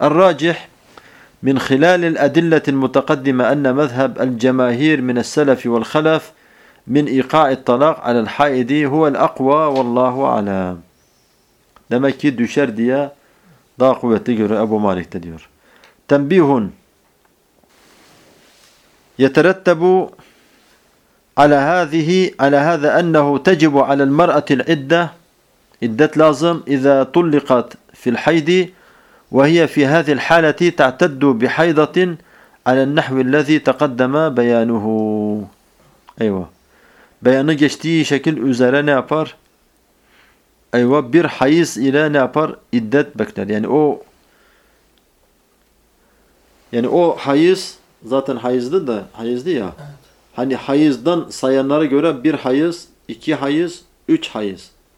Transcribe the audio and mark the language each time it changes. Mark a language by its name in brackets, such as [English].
[Arabic] Errâcih min hilalil edilletin mutakaddime enne mezheb el cemahir min es selefi vel halef من إيقاع الطلاق على الحائض هو الأقوى والله أعلم. [Turkish] demek ki düşer diye daha kuvvetli görüyor Ebu Malik de diyor. [Arabic] تنبيه يترتب على هذه على هذا أنه تجب على المرأة العدة عدة لازم إذا طلقت في الحيض وهي في هذه الحالة تعتد بحيضة على النحو الذي تقدم بيانه. [Turkish] أيوة. Beyanı geçtiği şekil üzere ne yapar? Eyva, bir hayız ile ne yapar? İddet bekler. Yani o hayız zaten hayızdı ya. Evet. Hani hayızdan sayanlara göre bir hayız, iki hayız, üç hayız.